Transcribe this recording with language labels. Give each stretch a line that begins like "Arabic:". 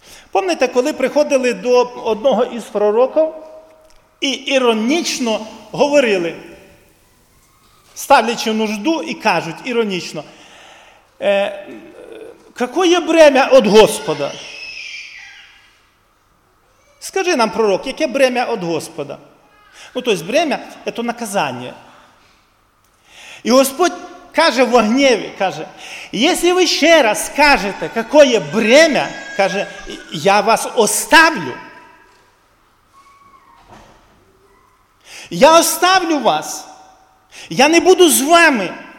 Ukrainian: Пам'ятаєте, коли приходили до одного із пророків і іронічно говорили, ставлячи нужду і кажуть іронічно,
Russian: «Какое бремя от Господа?»
Ukrainian: Скажи нам, пророк, яке бремя от Господа? Ну, тобто, бремя – це наказання.
Russian: И Господь каже в гневе, каже, если вы еще раз скажете, какое бремя, каже, я вас оставлю. Я оставлю вас. Я не буду с вами.